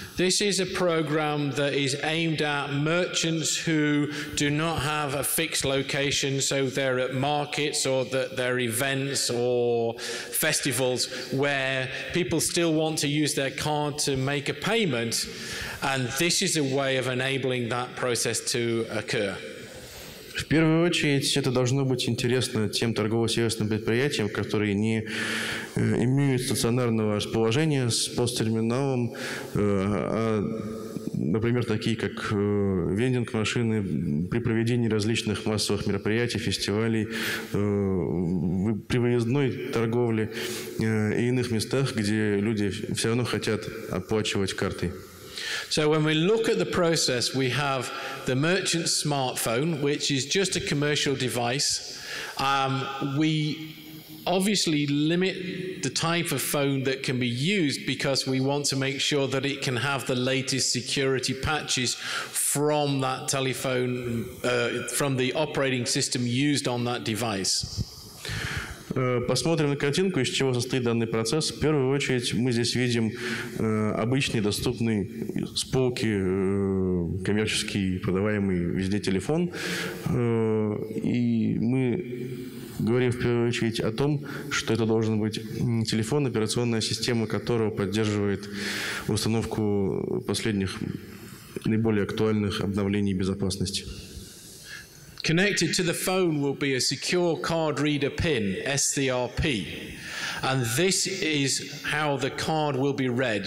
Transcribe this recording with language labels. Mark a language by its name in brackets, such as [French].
[English] This is a program that is aimed at merchants who do not have a fixed location, so they're at markets or that they're events or festivals where people still want to use their card to make a payment, and this is a way of enabling that process to occur. [Russian] В первую очередь, это должно быть интересно тем торгово-сервисным предприятиям, которые не имеют стационарного расположения с посттерминалом, а, например, такие как вендинг-машины при проведении различных массовых мероприятий, фестивалей, при выездной торговле и иных местах, где люди все равно хотят оплачивать картой. [English] So when we look at the process, we have the merchant's smartphone, which is just a commercial device. We obviously limit the type of phone that can be used because we want to make sure that it can have the latest security patches from that telephone, from the operating system used on that device. [Russian] Посмотрим на картинку, из чего состоит данный процесс. В первую очередь мы здесь видим обычный доступный с полки коммерческий продаваемый везде телефон. И мы говорим в первую очередь о том, что это должен быть телефон, операционная система которого поддерживает установку последних наиболее актуальных обновлений безопасности. [English] Connected to the phone will be a secure card reader PIN, SCRP, and this is how the card will be read.